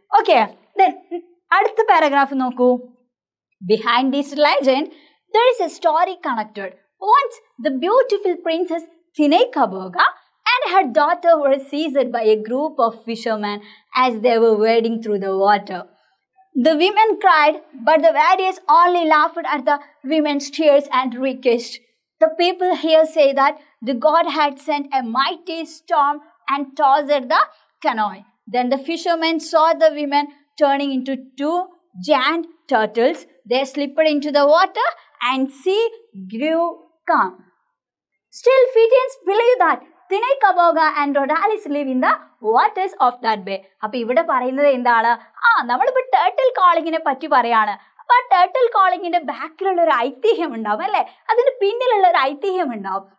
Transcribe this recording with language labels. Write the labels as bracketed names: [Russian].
[English] okay, then [Malayalam] അടുത്ത paragraph നോക്കൂ. [English] Behind this legend there is a story connected. Once the beautiful princess Tinaicaboga and her daughter were seized by a group of fisherman as they were wading through the water. The women cried, but the warriors only laughed at the women's tears and requested. The people here say that the god had sent a mighty storm and tossed the canoe. Then the fishermen saw the women turning into two giant turtles. They slipped into the water and sea grew calm. Still, Fijians believe that Tinaicaboga and Raudalice live in the waters of that bay. [Malayalam] അപ്പോൾ ഇവിടെ പറയുന്നത് എന്താണ്? നമ്മളിപ്പോൾ turtle കോളിങ്ങിനെ പറ്റി പറയുകയാണ്. അപ്പോൾ ആ turtle കോളിങ്ങിൻ്റെ ബാക്കിലുള്ള ഒരു ഐതിഹ്യം ഉണ്ടാവും അല്ലേ, അതിൻ്റെ പിന്നിലുള്ള ഒരു ഐതിഹ്യം ഉണ്ടാവും.